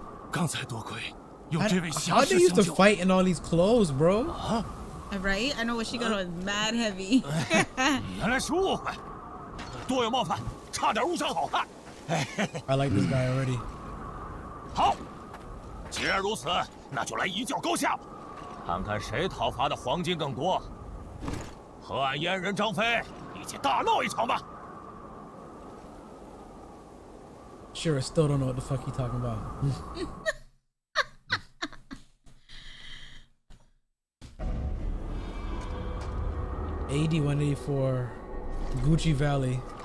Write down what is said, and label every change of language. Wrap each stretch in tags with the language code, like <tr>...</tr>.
<zh>刚才多亏有这位侠士相救。</zh> <en>How do you fight in all these clothes, bro? Right? I know what she got on. Mad heavy.</en> <zh>原来是误会，多有冒犯，差点误伤好汉。</zh> <en>I like this guy already.</en> <zh>好，既然如此，那就来一较高下吧，看看谁讨伐的黄金更多。和俺燕人张飞一起大闹一场吧。</zh> <en>Sure, I still don't know what the fuck he's talking about. AD 184, Gucci Valley.</en>